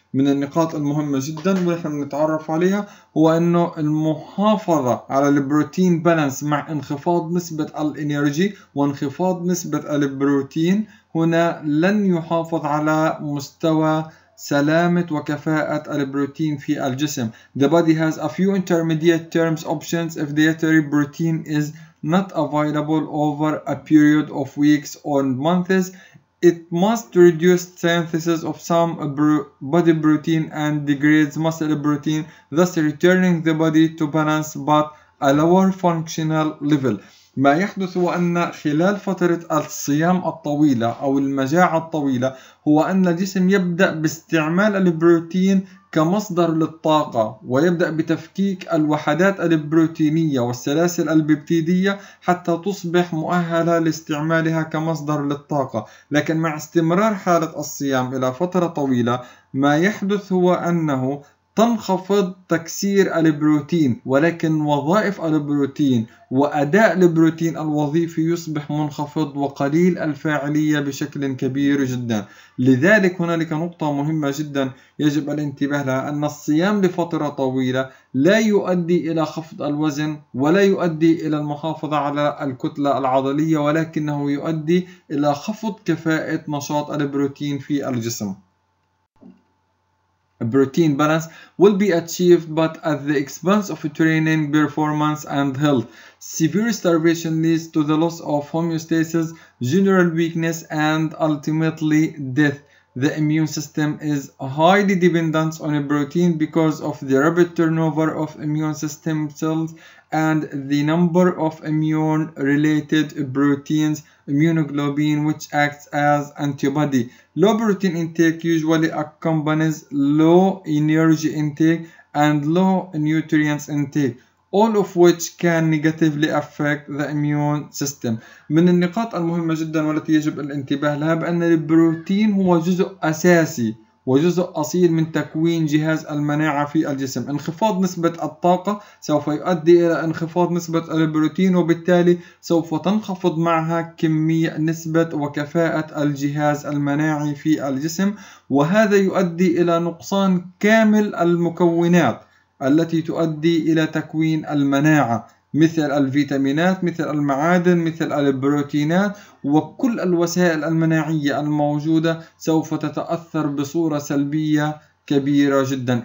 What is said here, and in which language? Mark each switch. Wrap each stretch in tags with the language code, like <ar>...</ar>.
<ar>من النقاط المهمة جدا ونحن نتعرف عليها هو أنه المحافظة على البروتين بالانس مع انخفاض نسبة الانيرجي وانخفاض نسبة البروتين هنا لن يحافظ على مستوى سلامة وكفاءة البروتين في الجسم.</ar> <en>The body has a few intermediate terms options if dietary protein is not available over a period of weeks or months. It must reduce synthesis of some body protein and degrades muscle protein, thus returning the body to balance but a lower functional level.</en> <ar>ما يحدث هو أن خلال فترة الصيام الطويلة أو المجاعة الطويلة هو أن الجسم يبدأ باستعمال البروتين كمصدر للطاقة ويبدأ بتفكيك الوحدات البروتينية والسلاسل البيبتيدية حتى تصبح مؤهلة لاستعمالها كمصدر للطاقة. لكن مع استمرار حالة الصيام إلى فترة طويلة ما يحدث هو أنه تنخفض تكسير البروتين ولكن وظائف البروتين وأداء البروتين الوظيفي يصبح منخفض وقليل الفاعلية بشكل كبير جدا. لذلك هنالك نقطة مهمة جدا يجب الانتباه لها أن الصيام لفترة طويلة لا يؤدي إلى خفض الوزن ولا يؤدي إلى المحافظة على الكتلة العضلية ولكنه يؤدي إلى خفض كفاءة نشاط البروتين في الجسم.</ar> <en>A protein balance will be achieved but at the expense of training performance and health. Severe starvation leads to the loss of homeostasis, general weakness and ultimately death. The immune system is highly dependent on a protein because of the rapid turnover of immune system cells and the number of immune related proteins, immunoglobulin, which acts as antibody. Low protein intake usually accompanies low energy intake and low nutrients intake, all of which can negatively affect the immune system.</en> <ar>من النقاط المهمة جدا والتي يجب الانتباه لها بأن البروتين هو جزء أساسي وجزء أصيل من تكوين جهاز المناعة في الجسم. انخفاض نسبة الطاقة سوف يؤدي إلى انخفاض نسبة البروتين وبالتالي سوف تنخفض معها كمية نسبة وكفاءة الجهاز المناعي في الجسم وهذا يؤدي إلى نقصان كامل المكونات التي تؤدي إلى تكوين المناعة مثل الفيتامينات مثل المعادن مثل البروتينات وكل الوسائل المناعية الموجودة سوف تتأثر بصورة سلبية كبيرة جدا.</ar>